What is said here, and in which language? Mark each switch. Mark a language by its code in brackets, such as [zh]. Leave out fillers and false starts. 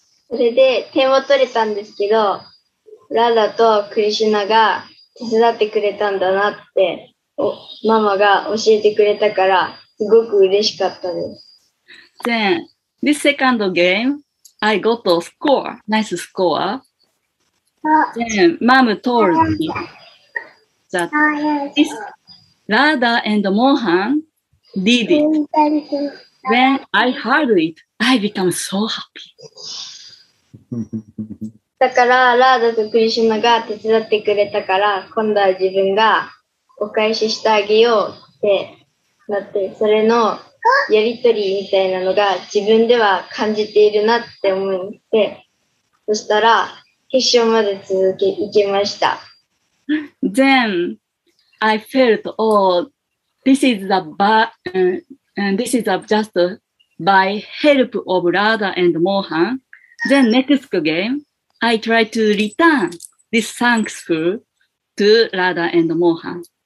[ja] それで点を取れたんですけど、ラダとクリシュナが手伝ってくれたんだなってママが教えてくれたからすごく嬉しかったです。 [en] Then, this second game, I got a score, nice score. Then, mom told me that this. Radha and Mohan did it. When I heard it, I became so happy. [ja] だから、ラーダとクリシュナが手伝ってくれたから、今度は自分がお返ししてあげようってなって、それのやりとりみたいなのが自分では感じているなって思って、そしたら決勝まで行きました。 [en] Then,I felt, oh, this is just by help of Radha and Mohan. Then next game, I try to return this thankful to Radha and Mohan.